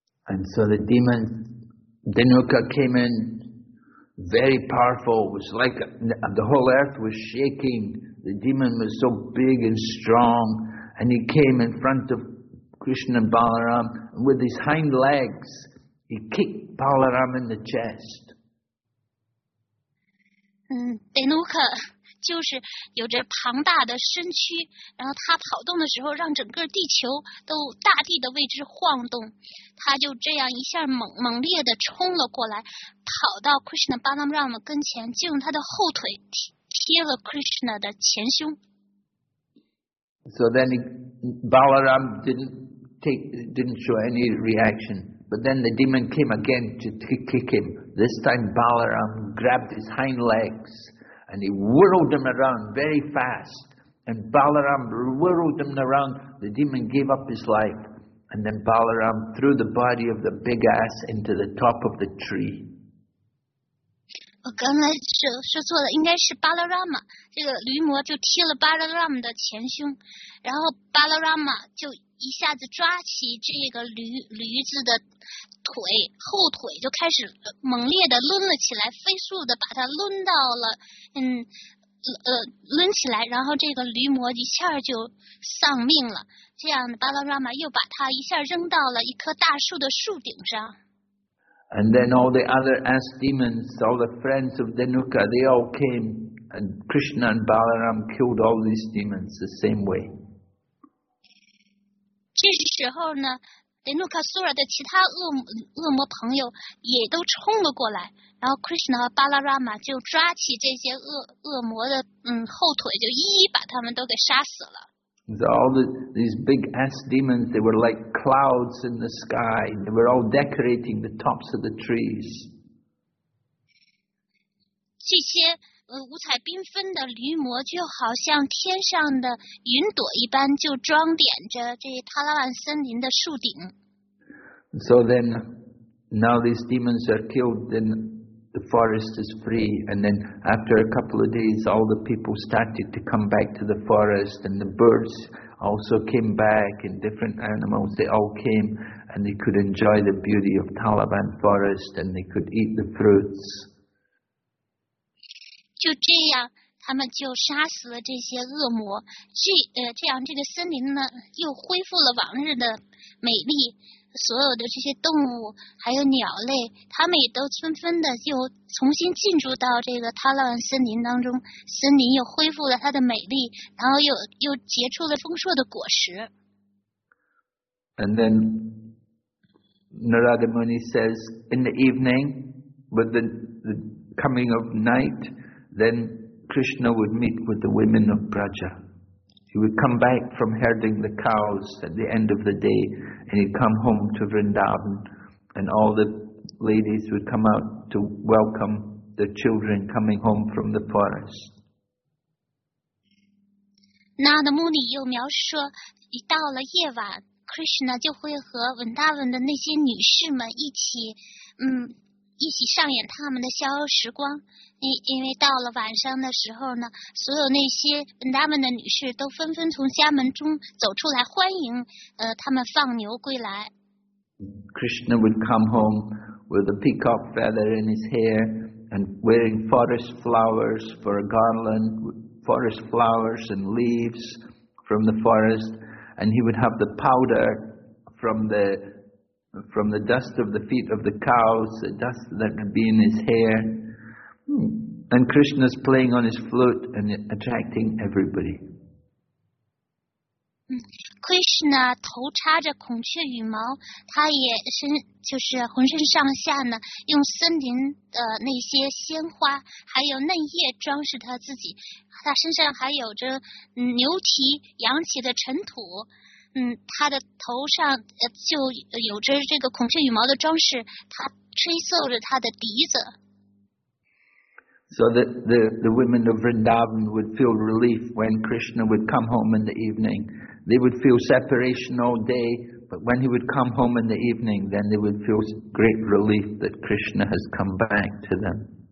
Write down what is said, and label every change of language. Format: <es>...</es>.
<en>And so the demon Danuka came in very powerful. It was like the whole earth was shaking. The demon was so big and strong, and he came in front ofKrishna and Balaram, and with his hind legs, he kicked Balaram in the chest.</en> <zh>Danuka 就是有着庞大的身躯，然后他跑动的时候，让整个地球都大地的位置晃动。他就这样一下猛烈的冲了过来，跑到 Krishna Balaram 跟前，就用他的后腿贴了 Krishna 的前胸。</zh> <en>So then Balaram didn't show any reaction. But then the demon came again to kick him. This time Balaram grabbed his hind legs and he whirled him around very fast. And Balaram whirled him around. The demon gave up his life. And then Balaram threw the body of the big ass into the top of the tree.</en> <zh>我刚才说错了，应该是巴拉拉玛，这个驴魔就踢了巴拉拉玛的前胸，然后巴拉拉玛就一下子抓起这个驴子的腿，后腿就开始猛烈的抡了起来，飞速的把它抡到了，抡起来，然后这个驴魔一下就丧命了。这样巴拉拉玛又把它一下扔到了一棵大树的树顶上。</zh> <en>And then all the other ass demons, all the friends of Dhanuka, they all came and Krishna and Balaram killed all these demons the same way.</en> <zh>这时候呢 Dhanuka Sura 的其他恶魔朋友也都冲了过来，然后 Krishna 和 Balaram 就抓起这些恶魔的后腿，就一一把他们都给杀死了。</zh> <en>So all these big ass demons, they were like clouds in the sky. They were all decorating the tops of the trees.</en> <zh>这些五彩缤纷的驴魔就好像天上的云朵一般，就装点着这帕拉万森林的树顶。</zh> <en>So then, now these demons are killed, then the forest is free. And then after a couple of days, all the people started to come back to the forest and the birds... also came back, and different animals, they all came, and they could enjoy the beauty of Taliban forest, and they could eat the fruits.</en> <zh>就这样，他们就杀死了这些恶魔。这样这个森林呢，又恢复了往日的美丽。所有的这些动物，还有鸟类，他们也都纷纷的又重新进入到这个塔拉万森林当中，森林又恢复了它的美丽，然后又结出了丰硕的果实。</zh> <en>And then Narada Muni says, in the evening, with the coming of night, then Krishna would meet with the women of Braja. He would come back from herding the cows at the end of the day, and he'd come home to Vrindavan, and all the ladies would come out to welcome the children coming home from the forest.</en> <zh>Narada Muni 又描述说，一到了夜晚 ，Krishna 就会和 Vrindavan 的那些女士们一起上演他们的逍遥时光。因为到了晚上的时候呢，所有那些文达们的女士都纷纷从家门中走出来欢迎他们放牛归来。</zh> <en>Krishna would come home with a peacock feather in his hair and wearing forest flowers for a garland, forest flowers and leaves from the forest, and he would have the powder from the dust of the feet of the cows, the dust that would be in his hair. And Krishna's playing on his flute and attracting everybody.</en> <zh>Krishna 头插着孔雀羽毛，他也身就是浑身上下呢，用森林的那些鲜花还有嫩叶装饰他自己。他身上还有着牛蹄扬起的尘土。他的头上就有着这个孔雀羽毛的装饰，他吹奏着他的笛子。</zh> <en>So that the women of Vrindavan would feel relief when Krishna would come home in the evening. They would feel separation all day, but when he would come home in the evening, then they would feel great relief that Krishna has come back to them.</en>